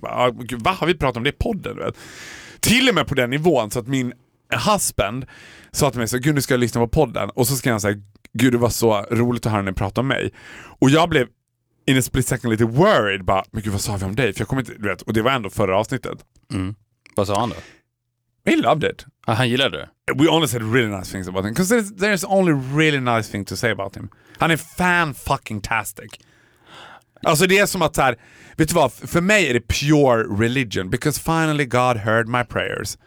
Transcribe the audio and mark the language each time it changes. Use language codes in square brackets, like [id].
[sv] Bara, vad har vi pratat om det i podden? Du vet? Till och med på den nivån så att min husband sa till mig så, gud, nu ska jag lyssna på podden. Och så ska jag säga, gud, det var så roligt att höra när ni pratade om mig. Och jag blev in a split second lite worried. Bara, men gud, vad sa vi om dig? För jag kommer inte, du vet, och det var ändå förra avsnittet. Mm. Vad sa han då? [en] He loved it. [sv] Han gillade det. [en] We only said really nice things about him. Because there's only really nice thing to say about him. [sv] Han är fan-fucking-tastic. Alltså det är som att så här, vet du vad, för mig är det pure religion. [en] Because finally God heard my prayers.